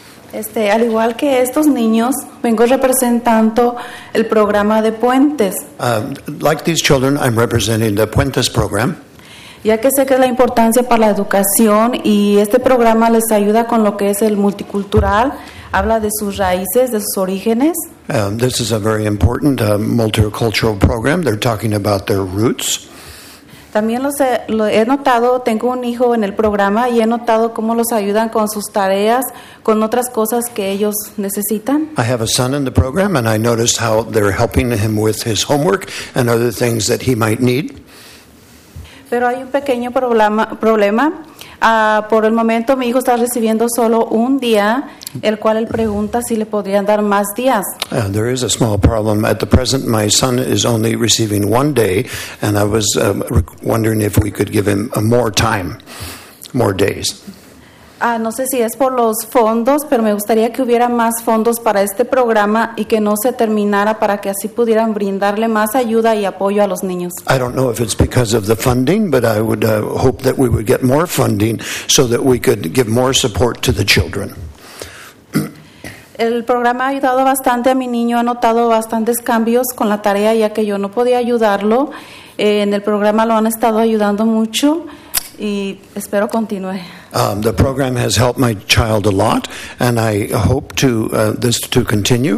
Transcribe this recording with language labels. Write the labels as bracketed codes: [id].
[es] Al igual que estos niños, vengo representando el programa de Puentes. [en] Like these children, I'm representing the Puentes program. [es] Ya que sé que es la importancia para la educación y este programa les ayuda con lo que es el multicultural, habla de sus raíces, de sus orígenes. [en] This is a very important multicultural program. They're talking about their roots. [es] También lo he notado, tengo un hijo en el programa y he notado cómo los ayudan con sus tareas, con otras cosas que ellos necesitan. [en] I have a son in the program and I noticed how they're helping him with his homework and other things that he might need. [es] Pero hay un pequeño problema. Por el momento mi hijo está recibiendo solo un día, el cual él pregunta si le podrían dar más días. [en] There is a small problem. At the present, my son is only receiving one day, and I was wondering if we could give him more time, more days. [es] No sé si es por los fondos, pero me gustaría que hubiera más fondos para este programa y que no se terminara para que así pudieran brindarle más ayuda y apoyo a los niños. [en] I don't know if it's because of the funding, but I would hope that we would get more funding so that we could give more support to the children. [es] El programa ha ayudado bastante a mi niño, ha notado bastantes cambios con la tarea ya que yo no podía ayudarlo. En el programa lo han estado ayudando mucho y espero continúe. [en] The program has helped my child a lot, and I hope to this to continue.